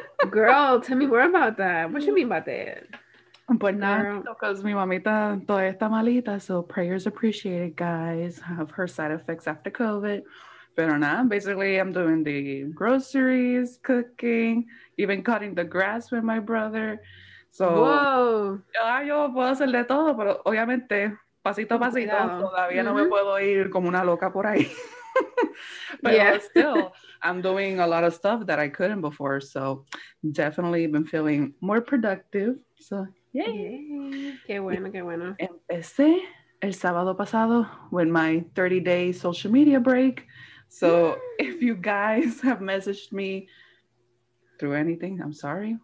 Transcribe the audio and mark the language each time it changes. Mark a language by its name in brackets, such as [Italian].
[English] Girl, tell me more about that. What you mean by that? But now, because [Spanish] mi mamita todavía está malita, [English] so prayers appreciated, guys, of her side effects after COVID. But now, basically, I'm doing the groceries, cooking, even cutting the grass with my brother. So, whoa. [Spanish] Yo puedo hacer de todo, pero obviamente, pasito a pasito, todavía no me puedo ir como una loca por ahí. [English] But yeah. Still, I'm doing a lot of stuff that I couldn't before, so definitely been feeling more productive. So, [Spanish] yay! Qué bueno. Empecé el sábado pasado [English] with my 30-day social media break. So, if you guys have messaged me through anything, I'm sorry.